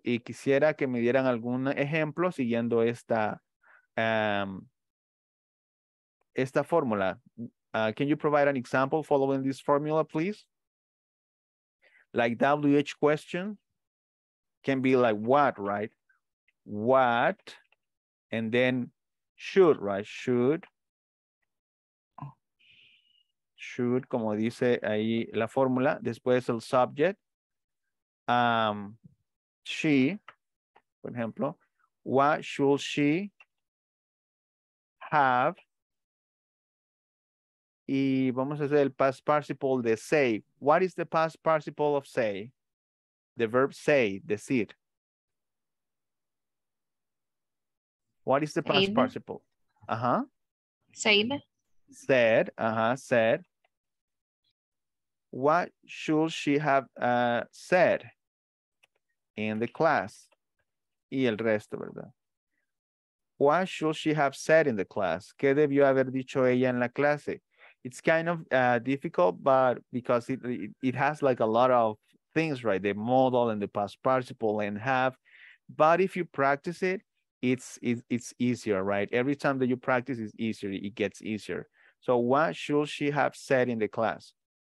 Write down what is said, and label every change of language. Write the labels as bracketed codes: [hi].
[es] Y quisiera que me dieran algún ejemplo siguiendo esta fórmula. [en] Can you provide an example following this formula, please? Like WH question can be like what, right? What, and then should, right? [es] Should, como dice ahí la fórmula, después el subject. [en] She, [es] por ejemplo, [en] what should she have? [es] Y vamos a hacer el past participle de say. [en] What is the past participle of say? The verb say, decir. What is the past said. Participle? Uh-huh. Said. Said, uh-huh, said. What should she have said in the class? [es] Y el resto, ¿verdad? [en] What should she have said in the class? [es] ¿Qué debió haber dicho ella en la clase? [en] It's kind of difficult, but because it has like a lot of things, right? The modal and the past participle and have. But if you practice it, it's easier, right? Every time that you practice, it's easier. It gets easier. So what should she have said in the class?